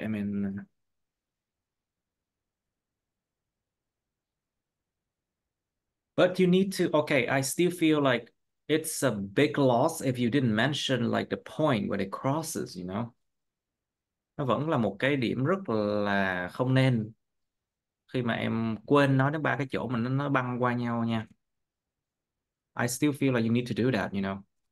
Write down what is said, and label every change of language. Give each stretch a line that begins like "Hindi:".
English: I mean, but you need to, okay, I still feel like it's a big loss if you didn't mention like the point where it crosses, you know?
Vietnamese: Nó vẫn là một cái điểm rất là không nên khi mà em quên nói đến ba cái chỗ mà nó băng qua nhau nha.
English: I still feel like you need to do that, you know?